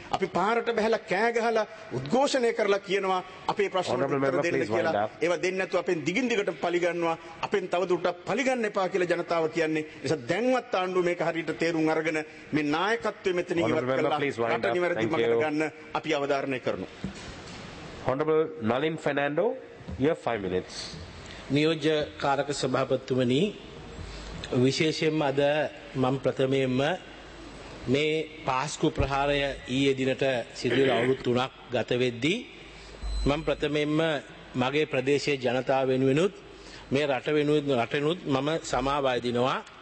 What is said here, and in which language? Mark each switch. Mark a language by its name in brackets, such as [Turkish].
[Sinhala] අපි පාරට බහැලා කෑ ගහලා උද්ඝෝෂණය කරලා කියනවා අපේ ප්‍රශ්නෙට උත්තර දෙන්න කියලා. ඒවා දෙන්නේ නැතුව අපෙන් දිගින් දිගට පලිගන්නවා, අපෙන් තවදුරටත් පලිගන්න එපා කියලා ජනතාව කියන්නේ. ඒ නිසා දැන්වත් ආණ්ඩුව මේක හරියට තේරුම් අරගෙන මේ නායකත්වය මෙතන ඉවත් කරලා රට නිවැරදිව මගට ගන්න අපි අවධාරණය කරනවා. [English] Honorable Nalin Fernando, you have 5 minutes. [Sinhala] නියෝජ්‍ය කාරක සභාපතිතුමනි, විශේෂයෙන්ම අද මම ප්‍රථමයෙන්ම මේ පාස්කු ප්‍රහාරය ඊයේ දිනට සිදු වූ අවුරුදු 3ක් ගත වෙද්දී මම ප්‍රථමයෙන්ම මගේ ප්‍රදේශයේ ජනතාව වෙනුවෙනුත් මේ රට වෙනුවෙන් රටෙනුත් මම සමාව අයදිනවා.